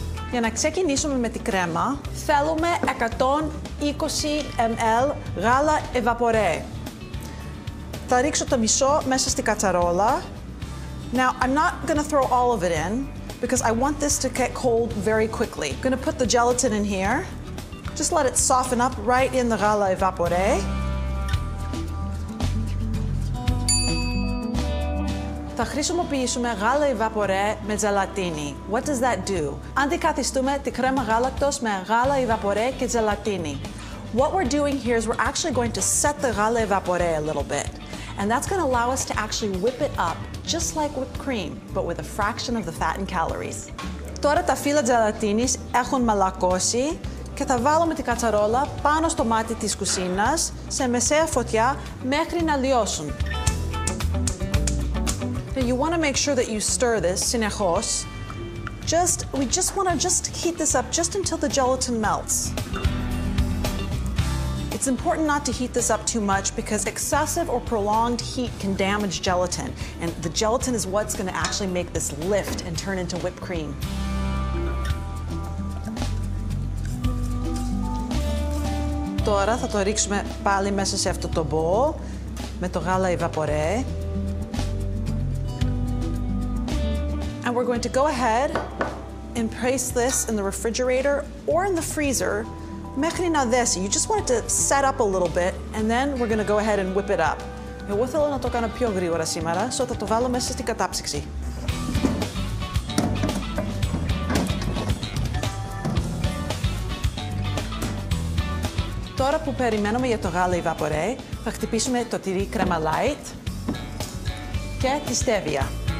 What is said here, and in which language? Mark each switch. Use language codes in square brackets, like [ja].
[el] Για να ξεκινήσουμε με τη κρέμα, θέλουμε 120 ml γάλα ευαπορέ. Θα ρίξω το μισό μέσα στη κατσαρόλα. [en] Now, I'm not gonna throw all of it in because I want this to get cold very quickly. I'm gonna put the gelatin in here. Just let it soften up right in the γάλα ευαπορέ. [el] Θα χρησιμοποιήσουμε γάλα ευαπορέ με ζελατίνι. [en] What does that do? [el] Αντικαθιστούμε τη κρέμα γάλακτος με γάλα ευαπορέ και ζελατίνι. [en] What we're doing here is we're actually going to set the γάλα ευαπορέ a little bit. And that's going to allow us to actually whip it up, just like whipped cream, but with a fraction of the fat and calories. [el] Τώρα τα φύλλα ζελατίνης έχουν μαλακώσει και θα βάλουμε την κατσαρόλα πάνω στο μάτι της κουζίνας σε μεσαία φωτιά μέχρι να λιώσουν. [en] Now you want to make sure that you stir this [el] συνεχώς. [en] We just want to just heat this up just until the gelatin melts. It's important not to heat this up too much because excessive or prolonged heat can damage gelatin. And the gelatin is what's going to actually make this lift and turn into whipped cream. [el] Τώρα θα το ρίξουμε πάλι μέσα σε αυτό το bowl με το γάλα ευαπορέ. [en] And we're going to go ahead and place this in the refrigerator or in the freezer. [el] Μέχρι να δέσει, [en] you just want it to set up a little bit, and then we're going to go ahead and whip it up. [el] Εγώ θέλω να το κάνω πιο γρήγορα σήμερα, so θα το βάλω μέσα στην κατάψυξη. [en] Now [el] ώρα που περιμένουμε για το γάλα η βαπορέ, θα χτυπήσουμε το τυρί κρέμα light και τη στέβια.